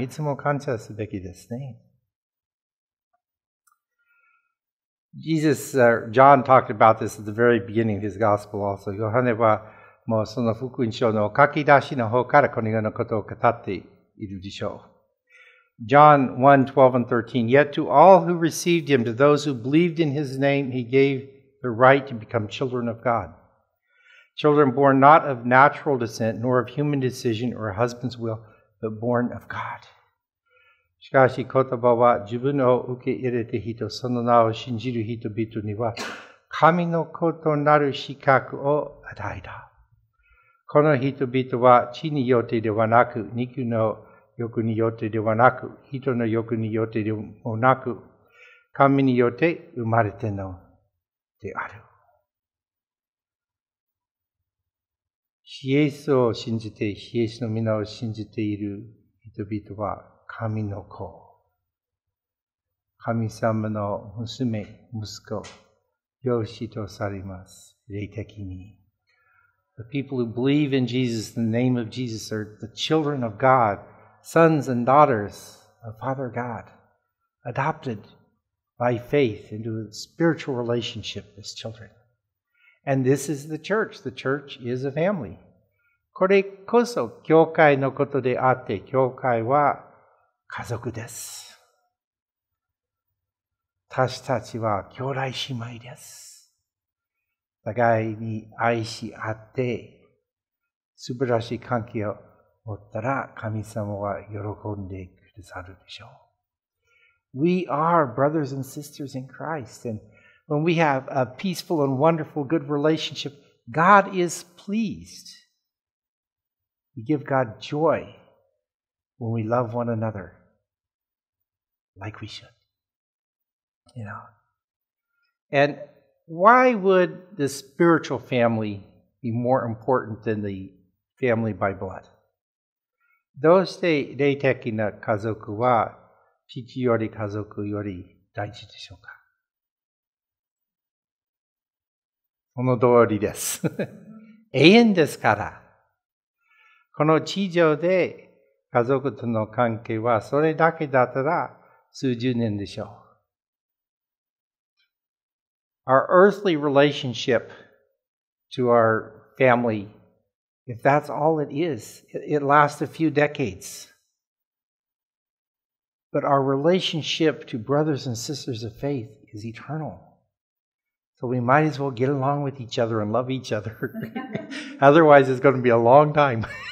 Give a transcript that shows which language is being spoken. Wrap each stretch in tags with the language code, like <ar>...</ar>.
<ja>いつも感謝すべきですね。</ja> <en>Jesus, John talked about this at the very beginning of his gospel also.</en> <ja>ヨハネはもうその福音書の書き出しの方からこのようなことを語っているでしょう。</ja> <en>John 1:12 and 13. Yet to all who received him, to those who believed in his name, he gave the right to become children of God. Children born not of natural descent, nor of human decision or a husband's will, but born of God.</en> <ja>しかし言葉は自分を受け入れた人、その名を信じる人々には神の子となる資格を与えた。この人々は地によってではなく、肉の欲によってではなく、人の欲によってでもなく、神によって生まれてのである。イエスを信じて、イエスの皆を信じている人々は神の子、神様の娘、息子、養子とされます、霊的に。</ja> <en>The people who believe in Jesus, the name of Jesus, are the children of God, sons and daughters of Father God, adopted by faith into a spiritual relationship as children. And this is the church. The church is a family.</en> <ja>これこそ教会のことであって、教会は家族です。私たちは兄弟姉妹です。互いに愛し合って素晴らしい関係を持ったら神様は喜んでくださるでしょう。</ja> <en>We are brothers and sisters in Christ, and when we have a peaceful and wonderful good relationship, God is pleased. We give God joy when we love one another like we should. You know. AndWhy would the spiritual family be more important than the family by blood?</en> <ja>どうして霊的な家族は父より家族より大事でしょうか？その通りです。永遠ですから。この地上で家族との関係はそれだけだったら数十年でしょう。</ja> <en>Our earthly relationship to our family, if that's all it is, it lasts a few decades. But our relationship to brothers and sisters of faith is eternal. So we might as well get along with each other and love each other. Otherwise, it's going to be a long time.</en>